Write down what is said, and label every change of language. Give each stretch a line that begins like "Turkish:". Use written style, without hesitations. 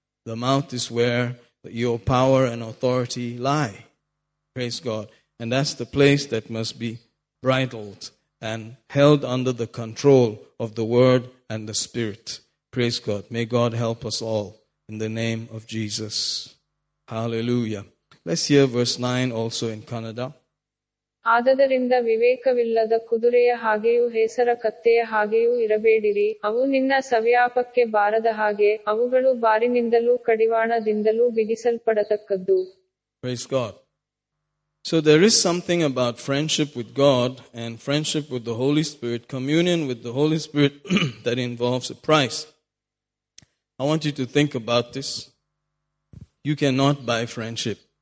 English: The mouth is where your power and authority lie. Praise God. And that's the place that must be bridled and held under the control of the Word and the Spirit. Praise God. May God help us all in the name of Jesus. Hallelujah. Let's hear verse 9 also in Kannada.
Kannada: ಆದದರಿಂದ ವಿವೇಕವಿಲ್ಲದ ಕುದುರೆಯ ಹಾಗೆಯೂ ಹೆಸರ ಕತ್ತೆಯ ಹಾಗೆಯೂ ಇರಬೇಡಿರಿ. ಅವು ನಿನ್ನ ಸವ್ಯಾಪಕ್ಕೆ ಬಾರದ ಹಾಗೆ ಅವುಗಳು ಬಾರಿನಿಂದಲೂ ಕಡಿವಾಣದಿಂದಲೂ ಬಿಗಿಸಲ್ಪಡತಕ್ಕದ್ದು.
English: Praise God. So there is something about friendship with God and friendship with the Holy Spirit, communion with the Holy Spirit that involves a price. I want you to think about this. You cannot buy friendship.